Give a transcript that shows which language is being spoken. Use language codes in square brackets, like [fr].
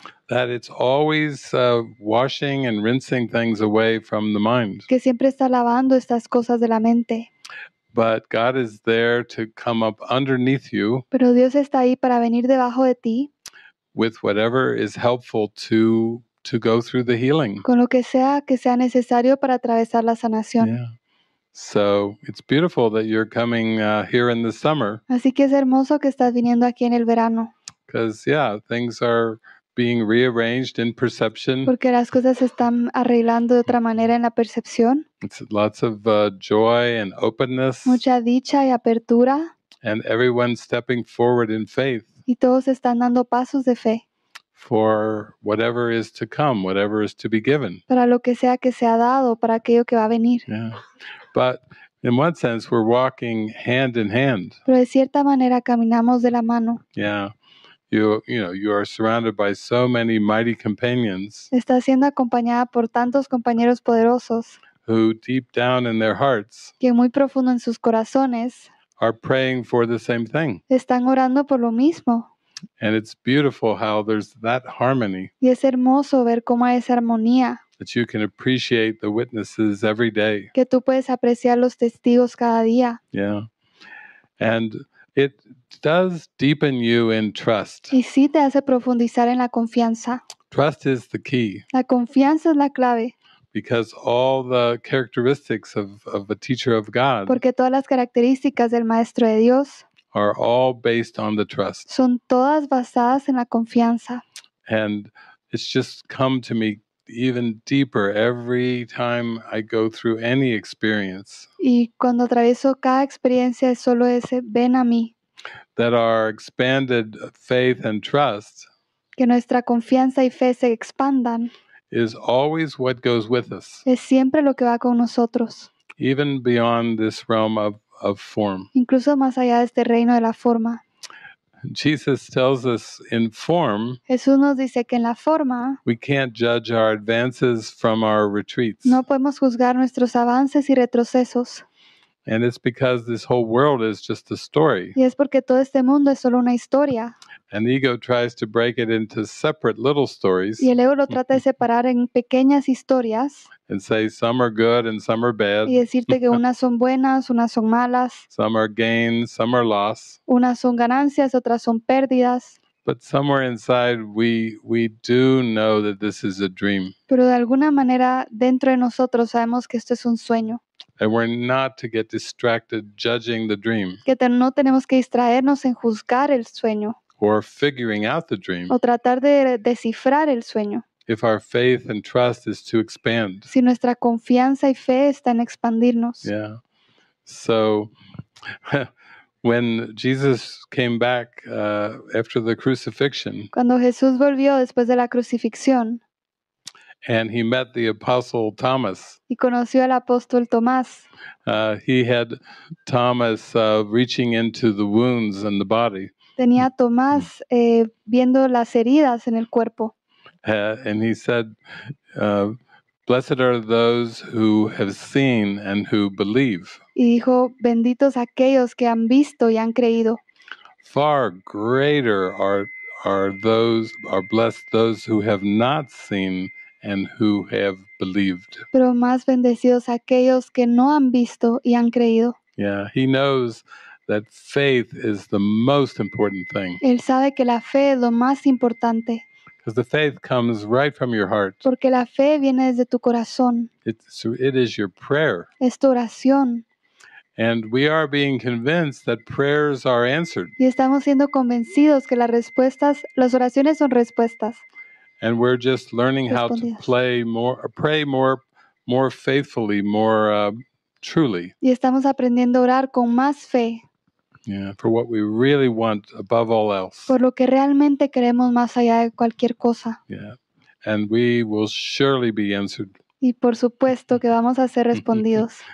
[en] That it's always washing and rinsing things away from the mind. [es] Que siempre está lavando estas cosas de la mente. [en] But God is there to come up underneath you. [es] Pero Dios está ahí para venir debajo de ti. [en] With whatever is helpful to go through the healing. [es] Con lo que sea necesario para atravesar la sanación. [en] Yeah. So it's beautiful that you're coming here in the summer. [es] Así que es hermoso que estás viniendo aquí en el verano. [en] Because yeah, things are being rearranged in perception. [es] Porque las cosas se están arreglando de otra manera en la percepción. [en] It's lots of joy and openness. [es] Mucha dicha y apertura. [en] And everyone stepping forward in faith. [es] Y todos están dando pasos de fe. [en] For whatever is to come, whatever is to be given. [es] Para lo que sea que se ha dado, para aquello que va a venir. [en] Yeah. But in one sense, we're walking hand in hand. [es] Pero de cierta manera caminamos de la mano. [en] Yeah. You are surrounded by so many mighty companions. [es] Está siendo acompañada por tantos compañeros poderosos. [en] Who deep down in their hearts. [es] Que muy profundo en sus corazones. [en] Are praying for the same thing. [es] Están orando por lo mismo. [en] And it's beautiful how there's that harmony. [es] Y es hermoso ver cómo hay esa armonía. [en] That you can appreciate the witnesses every day. [es] Que tú puedes apreciar los testigos cada día. [en] Yeah. And it does deepen you in trust. [es] Y sí te hace profundizar en la confianza. [en] Trust is the key. [es] La confianza es la clave. [en] Because all the characteristics of a teacher of God. [es] Porque todas las características del maestro de Dios. [en] Are all based on the trust. [es] Son todas basadas en la confianza. [en] And it's just come to me even deeper every time I go through any experience. [es] Y cuando atravieso cada experiencia es solo ese ven a mí. [en] That our expanded faith and trust. [es] Que nuestra confianza y fe se expandan. [en] Is always what goes with us. [es] Es siempre lo que va con nosotros. [en] Even beyond this realm of form. [es] Incluso más allá de este reino de la forma. [en] Jesus tells us in form. [es] Jesús nos dice que en la forma. [en] We can't judge our advances from our retreats. [es] No podemos juzgar nuestros avances y retrocesos. [en] And it's because this whole world is just a story. [es] Y es porque todo este mundo es solo una historia. [en] And the ego tries to break it into separate little stories. [es] Y el ego lo trata de separar en pequeñas historias. [en] And say some are good and some are bad. [es] Y decirte que unas son buenas, unas son malas. [en] Some are gains, some are loss. [es] Unas son ganancias, otras son pérdidas. [en] But somewhere inside we do know that this is a dream. [es] Pero de alguna manera dentro de nosotros sabemos que esto es un sueño. [en] And we're not to get distracted judging the dream. [es] Que no tenemos que distraernos en juzgar el sueño. [en] Or figuring out the dream. [es] O tratar de descifrar el sueño. [en] If our faith and trust is to expand. [es] Si nuestra confianza y fe está en expandirnos. [en] Yeah. So when Jesus came back after the crucifixion. [es] Cuando Jesús volvió después de la crucifixión. [en] And he met the apostle Thomas. [es] Y conoció al apóstol Tomás. [en] He had Thomas reaching into the wounds in the body. [es] Tenía a Tomás viendo las heridas en el cuerpo. [en] And he said, blessed are those who have seen and who believe. [es] Y dijo, benditos aquellos que han visto y han creído. [en] Far greater are blessed those who have not seen and who have believed. [es] Pero más bendecidos aquellos que no han visto y han creído. [en] Yeah, he knows that faith is the most important thing. [es] Él sabe que la fe es lo más importante. [en] Because the faith comes right from your heart. [es] Porque la fe viene desde tu corazón. [en] It is your prayer. [es] Es tu oración. [en] And we are being convinced that prayers are answered. [es] Y estamos siendo convencidos que las oraciones son respuestas. [en] And we're just learning how to pray more faithfully, more truly. [es] Y estamos aprendiendo a orar con más fe. [en] Yeah, for what we really want above all else. [es] Por lo que realmente queremos más allá de cualquier cosa. [en] Yeah, and we will surely be answered. [es] Y por supuesto que vamos a ser respondidos.